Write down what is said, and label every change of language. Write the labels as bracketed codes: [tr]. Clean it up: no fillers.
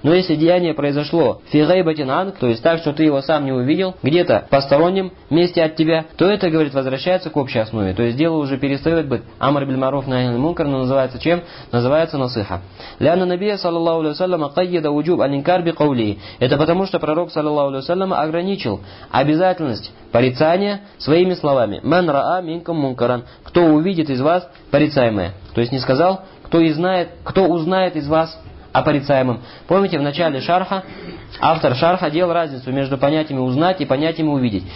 [ru] Но если деяние произошло [ar] في غيبة عنك, [ru] то есть так, что ты его сам не увидел, где-то посторонним месте от тебя, то это, говорит, возвращается к общей основе. То есть дело уже перестает быть амр биль маруф нахи аль мункар, но называется чем? Называется насиха. [ar] لأن النبي صلى الله عليه وسلم قيد وجوب الإنكار بقوله. [ru] Это потому, что пророк [ar] صلى الله عليه وسلم [ru] ограничил обязательность порицания своими словами. [ar] Мен раа минкум мункаран. [ru] Кто увидит из вас порицаемое. То есть не сказал, кто узнает из вас о порицаемом. Помните, в начале шарха, автор шарха делал разницу между понятиями «узнать» и понятиями «увидеть».